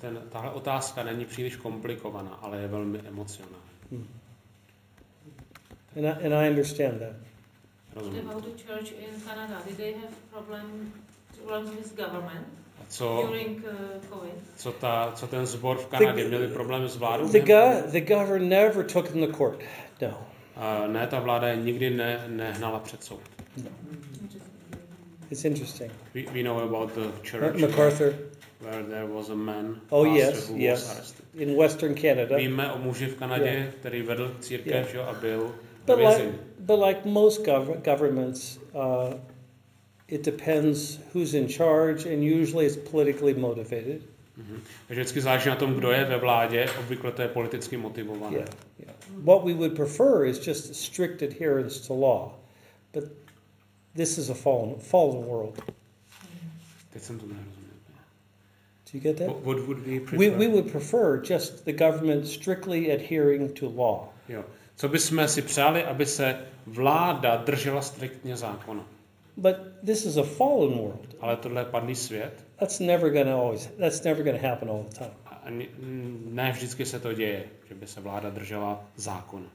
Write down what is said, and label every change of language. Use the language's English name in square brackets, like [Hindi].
[Czech] Tahle otázka není příliš komplikovaná, ale je velmi emocionální. [English] And I understand that. [Czech] Rozumím. [English] About the church in Canada, did they have problems with government? [Czech] Co ten zbor v Kanadě měli problémy s vládou? [English] The governor never took them to court. No. [Czech] Ne, ta vláda je nikdy nehnala před soud. [English] No. It's interesting. We know about the church. MacArthur. Where there was a man, oh, yes, who yes. was arrested. In Western Canada. [Czech] Víme o muži v Kanadě, yeah. který vedl církev, yeah. a byl [English] But like most governments, it depends who's in charge, and usually it's politically motivated. [Czech] Takže vždycky záleží na tom, kdo je ve vládě, obvykle to je politicky motivované. Yeah, yeah. [English] What we would prefer is just strict adherence to law, but this is a fallen world. [Czech] Teď jsem to nerozuměl. [English] Do you get that? What would we prefer? We would prefer just the government strictly adhering to law. [Czech] Jo. Co bychom si přáli, aby se vláda držela striktně zákona. [English] But this is a fallen world. [Czech] Ale tohle je padlý svět. [English] That's never gonna happen all the time. [Czech] Ne vždycky se to děje, že by se vláda držela zákona.